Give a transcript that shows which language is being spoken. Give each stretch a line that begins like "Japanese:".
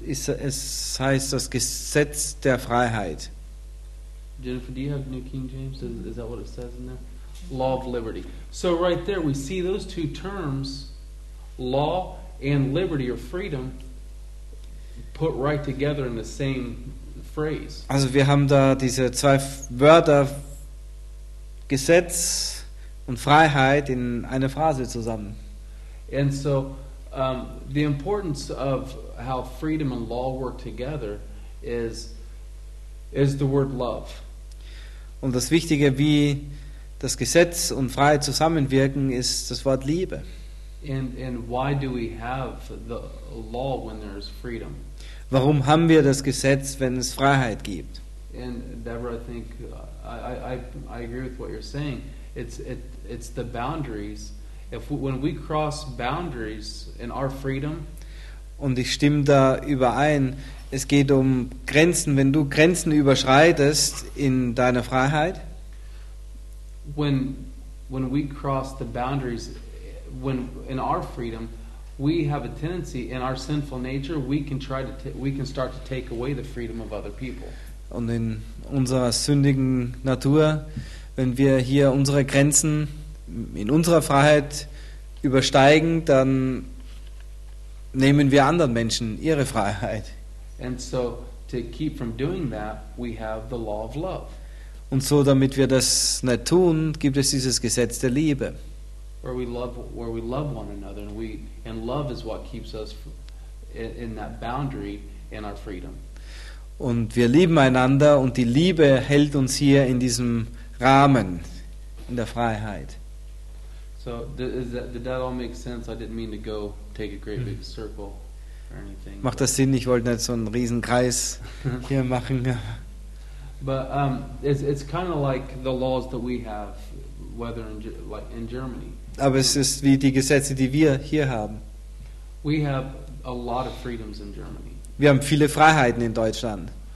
German: Es heißt das Gesetz der Freiheit.
English: Jennifer, do you have New King James? Is that what it says in there? Law of liberty. So right there we see those two terms, law and liberty or freedom, put right together in the same phrase.
German: Also wir haben da diese zwei Wörter, Gesetz und Freiheit, in einer Phrase zusammen.
English: And so the importance of how freedom and law work together is the word love.
German: Und das Wichtige, wie das Gesetz und Freiheit zusammenwirken, ist das Wort Liebe.
English: And why do we have the law when there is freedom?
German: Warum haben wir das Gesetz, wenn es Freiheit gibt?
English: And Deborah, I think I agree with what you're saying. It's the boundaries. When we cross boundaries in our freedom,
German: und ich stimme da überein, es geht um Grenzen, wenn du Grenzen überschreitest in deiner Freiheit.
English: When we cross the boundaries when in our freedom, we have a tendency in our sinful nature, we can start to take away the freedom of other people.
German: Und in unserer sündigen Natur, wenn wir hier unsere Grenzen in unserer Freiheit übersteigen, dann nehmen wir anderen Menschen ihre Freiheit.
English: And so to keep from doing that, we have the law of love.
German: Und so, damit wir das nicht tun, gibt es dieses Gesetz der Liebe.
English: Where we love one another, and we, and love is what keeps us in that boundary in our freedom.
German: Und wir lieben einander, und die Liebe hält uns hier in diesem Rahmen, in der Freiheit.
English: So, did that all make sense? I didn't mean to go take a great big circle or anything.
German: Macht das Sinn? Ich wollte nicht so einen riesen Kreis hier machen.
English: But it's kind of like the laws that we have, whether in like in Germany.
German: Aber es ist wie die Gesetze, die wir hier haben.
English: We have a lot of freedoms in Germany.
German: Wir haben viele Freiheiten in Deutschland.